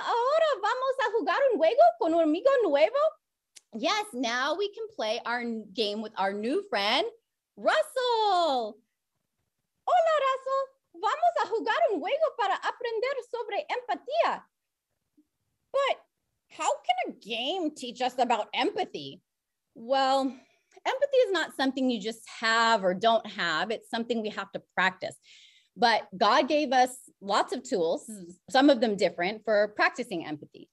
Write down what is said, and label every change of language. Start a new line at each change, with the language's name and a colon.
Spanish: Ahora vamos a jugar un juego con un amigo nuevo.
English: Yes, now we can play our game with our new friend, Russell.
Spanish: Hola, Russell. Vamos a jugar un juego para aprender sobre empatía.
English: But how can a game teach us about empathy? Well, empathy is not something you just have or don't have. It's something we have to practice. But God gave us lots of tools, some of them different, for practicing empathy.